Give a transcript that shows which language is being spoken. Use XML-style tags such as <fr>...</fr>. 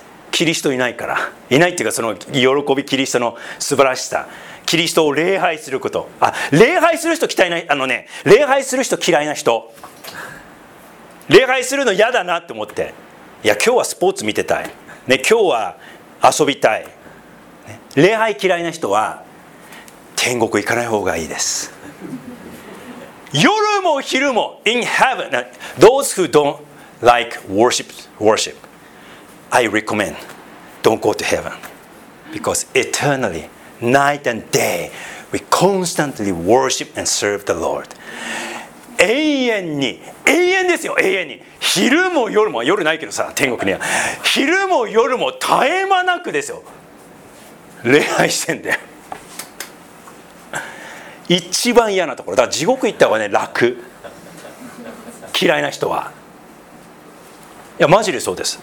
<ja>キリストいないから、いないっていうか、その喜び、キリストの素晴らしさ、キリストを礼拝すること、あ、礼拝する人嫌いな、あのね、礼拝する人嫌いな人、礼拝するの嫌だなって思って、いや今日はスポーツ見てたい、ね、今日は遊びたい、ね、礼拝嫌いな人は天国行かない方がいいです。夜も昼も</ja> <en>in heaven those who don't like worship I recommend don't go to heaven because eternally night and day we constantly worship and serve the Lord。</en> <ja>永遠に、永遠ですよ、永遠に、昼も夜も、夜ないけどさ、天国には昼も夜も絶え間なくですよ、礼拝してんだよ。一番嫌なところだ。地獄行った方がね楽、嫌いな人は。いやマジでそうです。</ja>